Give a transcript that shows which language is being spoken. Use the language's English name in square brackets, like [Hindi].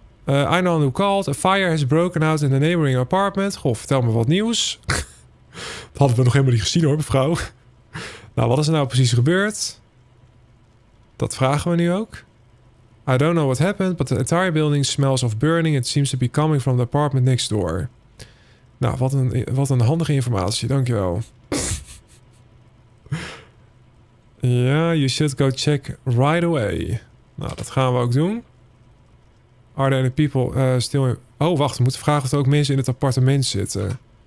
[English] I know who called. A fire has broken out in the neighboring apartment. [Dutch] Goh, vertel me wat nieuws. Dat hadden we nog helemaal niet gezien hoor, mevrouw. Nou, wat is er nou precies gebeurd? Dat vragen we nu ook. [English] I don't know what happened, but the entire building smells of burning. It seems to be coming from the apartment next door. [Dutch] Nou, wat een handige informatie. Dankjewel. Ja, [English] you should go check right away. [Dutch] Nou, dat gaan we ook doen. [English] Are there any people still in... [Dutch] Oh, wacht. We moeten vragen of er ook mensen in het appartement zitten.